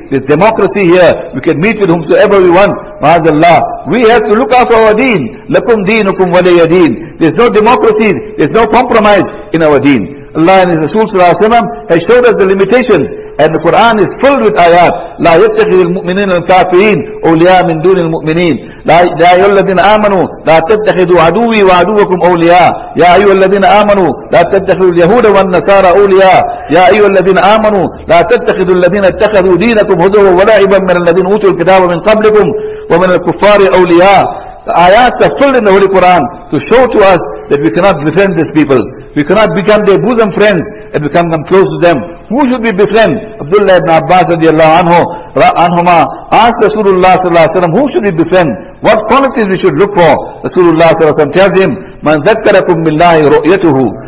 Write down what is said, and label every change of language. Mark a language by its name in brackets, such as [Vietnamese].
[English] There's democracy here. We can meet with whomsoever we want. MaazAllah. We have to look after our deen. Lakum deenukum waliya deen. There's no democracy. There's no compromise in our deen. Allah and His Rasul sallallahu alayhi wa sallam has showed us the limitations. And the Quran is filled with ayat. [Arabic] لا يتخذ المؤمنين الكافرين أولياء من دون المؤمنين. يا أيها الذين آمنوا لا تتخذوا عدوي وعدوكم أولياء. يا أيها الذين آمنوا لا تتخذوا اليهود والنصارى أولياء. يا أيها الذين آمنوا لا تتخذوا الذين اتخذوا دينكم هزوا ولعبا من الذين أوتوا الكتاب من قبلكم ومن الكفار أولياء. [English] The ayats are filled in the Holy Quran to show to us that we cannot befriend these people. We cannot become their bosom friends and become them close to them. Who should we befriend? Abdullah ibn Abbas radiallahu anhu, anhuma, asked Rasulullah sallallahu alayhi wa sallam, who should we befriend? What qualities we should look for? Rasulullah sallallahu alayhi wa sallam tells him, man dhakkarakum billahi ru'yatuhu.